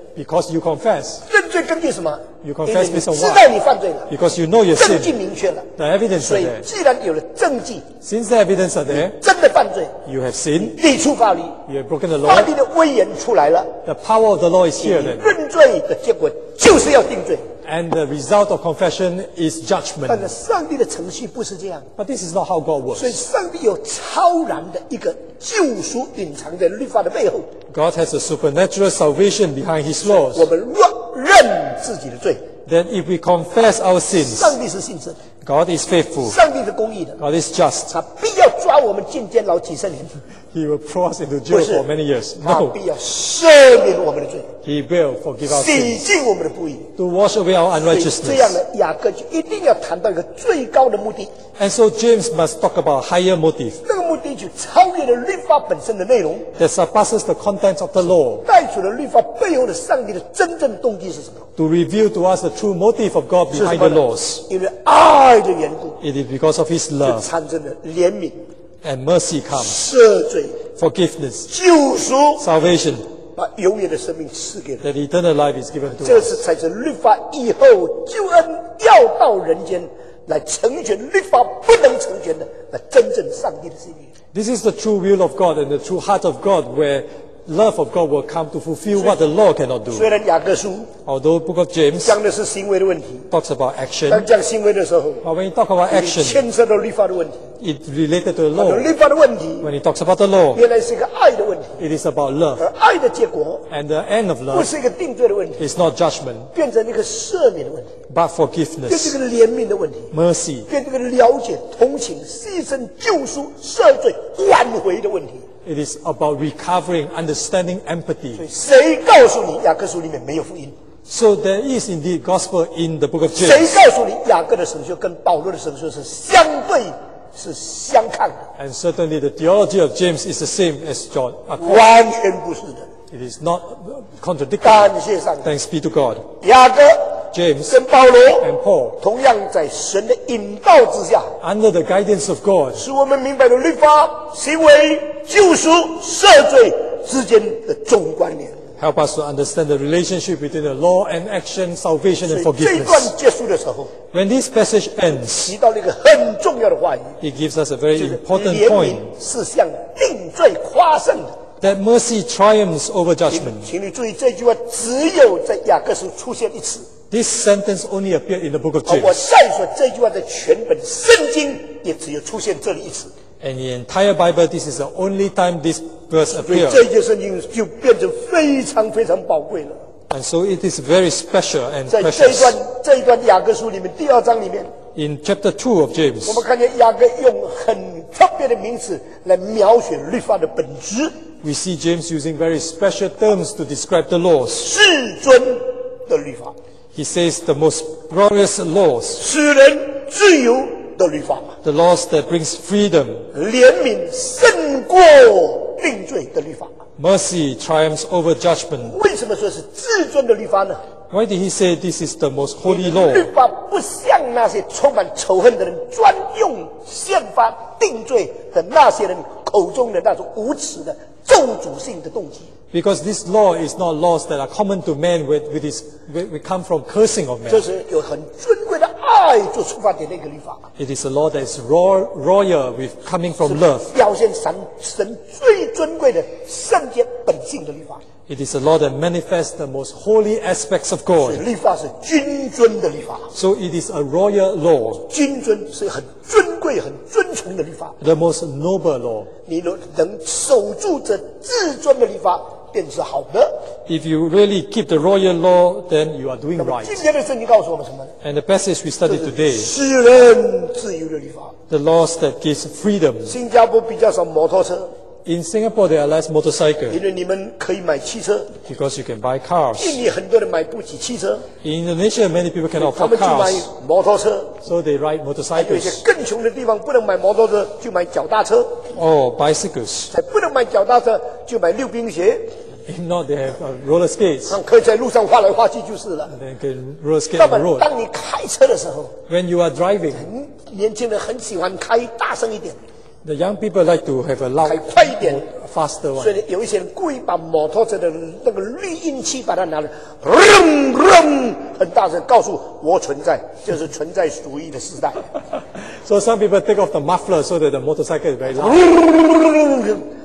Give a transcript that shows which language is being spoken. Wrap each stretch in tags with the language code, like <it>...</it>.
<en>Because you confess.</en> <zh>认罪根据什么？</zh> <en>You confess based on what?</en> <zh>知道你犯罪了。</zh> <en>Because you know your sin.</en> <zh>证据明确了。</zh> <en>The evidence are there.</en> <zh>所以既然有了证据。</zh> <en>Since the evidence are there.</en> <zh>真的犯罪。</zh> <en>You have sinned.</en> <zh>立出法律。</zh> <en>You have broken the law.</en> <zh>法律的威严出来了。</zh> <en>The power of the law is here then.</en> <zh>认罪的结果就是要定罪。</zh> <en>And the result of confession is judgment.</en> <zh>但是上帝的程序不是这样。</zh> <en>But this is not how God works.</en> <zh>所以上帝有超然的一个救赎隐藏在律法的背后。</zh> <en>God has a supernatural salvation behind His laws.</en> <zh>我们若认自己的罪。</zh> <en>Then if we confess our sins.</en> <zh>上帝是信实。</zh> <en>God is faithful.</en> <zh>上帝是公义的。</zh> <en>God is just.</en> <zh>他必要抓我们进监牢几十年。</zh> <en>He will throw us into jail for many years. No.</en> <zh>他必要赦免我们的罪。</zh> <en>He will forgive our sins.</en> <zh>洗净我们的不义。</zh> <en>To wash away our unrighteousness.</en> <zh>这样的雅各就一定要谈到一个最高的目的。</zh> <en>And so James must talk about higher motive.</en> <zh>那个目的就超越了律法本身的内容。</zh> <en>That surpasses the contents of the law.</en> <zh>带出了律法背后的上帝的真正动机是什么？</zh> <en>To reveal to us the true motive of God behind the laws.</en> <zh>因为爱的缘故。</zh> <en>It is because of His love.</en> <zh>就产生了怜悯。</zh> <en>And mercy comes.</en> <zh>赦罪。</zh> <en>Forgiveness.</en> <zh>救赎。</zh> <en>Salvation.</en> <zh>把永远的生命赐给人。</zh> <en>That eternal life is given to us.</en> <zh>这是才是律法以后救恩要到人间。来成全律法不能成全的，那真正上帝的心意。</zh> <en>This is the true will of God and the true heart of God, where love of God will come to fulfill what the law cannot do.</en> <zh>虽然雅各书</zh> <en>，although Book of James</en> <zh>讲的是行为的问题</zh> <en>，talks about action.</en> <zh>当讲行为的时候</zh> <en>，but when he talk about action,</en> <zh>牵涉到律法的问题</zh> <en>，it related to the law.</en> <zh>律法的问题</zh> <en>，when he talks about the law,</en> <zh>原来是一个爱的问题</zh> <en>，it is about love.</en> <zh>而爱的结果</zh> <en>，and the end of love,</en> <zh>不是一个定罪的问题</zh> <en>，it's not judgment.</en> <zh>变成一个赦免的问题。</zh> <en>But forgiveness,</en> <zh>变成一个怜悯的问题</zh> <en>，mercy,</en> <zh>变成一个了解、同情、牺牲、救赎、赦罪、挽回的问题</zh> <en>，it is about recovering, understanding, empathy.</en> <zh>所以谁告诉你雅各书里面没有福音</zh> <en>？So there is indeed gospel in the book of James.</en> <zh>谁告诉你雅各的神学跟保罗的神学是相对、是相抗的</zh> <en>？And certainly the theology of James is the same as John.</en> <zh>完全不是的。</zh> <en>It is not contradictory.</en> <zh>感谢上帝。</zh> <en>Thanks be to God.</en> <zh>雅各。</zh> <en>James</en> <zh>跟保罗</zh> <en>and Paul</en> <zh>同样在神的引导之下</zh> <en>under the guidance of God</en> <zh>使我们明白了律法、行为、救赎、赦罪之间的总关联</zh> <en>help us to understand the relationship between the law and action, salvation and forgiveness</en> <zh>所以这段结束的时候</zh> <en>when this passage ends</en> <zh>提到了一个很重要的话语</zh> <en>it gives us a very important point</en> <zh>怜悯是向定罪夸胜的</zh> <en>That mercy triumphs over judgment.</en> <zh>请你注意这句话只有在雅各书出现一次。</zh> <en>This sentence only appeared in the book of James.</en> <zh>我再说这句话在全本圣经也只有出现这里一次。</zh> <en>And the entire Bible, this is the only time this verse appears.</en> <zh>所以这句圣经就变成非常非常宝贵了。</zh> <en>And so it is very special and precious.</en> <zh>在这一段雅各书里面第二章里面。</zh> <en>In chapter 2 of James.</en> <zh>我们看见雅各用很特别的名词来描写律法的本质。</zh> <en>we see James using very special terms to describe the laws.</en> <zh>至尊的律法。</zh> <en>He says the most glorious laws.</en> <zh>使人自由的律法。</zh> <en>The laws that brings freedom.</en> <zh>怜悯胜过定罪的律法。</zh> <en>Mercy triumphs over judgment.</en> <zh>为什么说是至尊的律法呢？</zh> <en>Why did he say this is the most holy law?</en> <zh>律法不像那些充满仇恨的人专用宪法定罪的那些人口中的那种无耻的咒诅性的动机。</zh> <en>Because this law is not laws that are common to man, with come from cursing of man.</en> <zh>这是有很尊贵的爱做出发点的一个律法。</zh> <en>It is a law that is royal with coming from love.</en> <zh>表现神最尊贵的圣洁本性的律法。</zh> <en>It is a law that manifests the most holy aspects of God.</en> <zh>律法是君尊的律法。</zh> <en>So it is a royal law.</en> <zh>君尊是很尊贵、很尊崇的律法。</zh> <en>The most noble law.</en> <zh>你能守住这至尊的律法，便是好的。</zh> <en>If you really keep the royal law, then you are doing right.</en> <zh>今天的圣经告诉我们什么呢？</zh> <en>And the passage we studied today.</en> <zh>使人自由的律法。</zh> <en>The laws that gives freedom.</en> <zh>新加坡比较少摩托车。</zh> <en>In Singapore, there are less motorcycles.</en> <zh>因为你们可以买汽车。</zh> <en>Because you can buy cars.</en> <zh>印尼很多人买不起汽车。</zh> <en>In Indonesia, many people cannot afford cars.</en> <zh>他们就买摩托车。</zh> <en>So they ride motorcycles.</en> <zh>有一些更穷的地方不能买摩托车，就买脚踏车。</zh> <en>Oh, bicycles.</en> <zh>才不能买脚踏车，就买溜冰鞋。</zh> <en>If not, they have roller skates.</en> <zh>可以在路上画来画去就是了。</zh> <en>They can roller skate on the road.</en> <zh>当你开车的时候。</zh> <en>When you are driving.</en> <zh>年轻人很喜欢开大声一点。</zh> <en>The young people like to have a loud,</en> <zh>开快一点</zh> <en>faster one.</en> <zh>所以有一些人故意把摩托车的那个滤音器把它拿了 ，rum rum， 很大声告诉我存在，就是存在主义的时代。</zh> <en>So some people take off the muffler so that the motorcycle is very loud.</en>